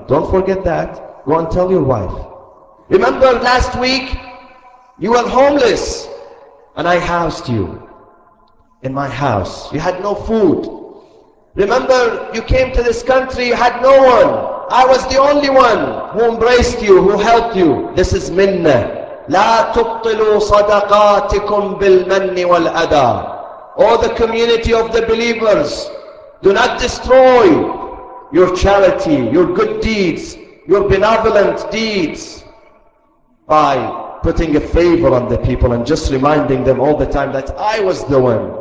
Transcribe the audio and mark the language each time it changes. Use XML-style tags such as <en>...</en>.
<en>Don't forget that. Go and tell your wife. Remember last week you were homeless and I housed you in my house. You had no food. Remember you came to this country, you had no one. I was the only one who embraced you, who helped you. This is minna.</en> <ar>لا تبطلوا صدقاتكم بالمن والأذى.</ar> <en>All the community of the believers, do not destroy your charity, your good deeds, your benevolent deeds by putting a favor on the people and just reminding them all the time that I was the one.</en>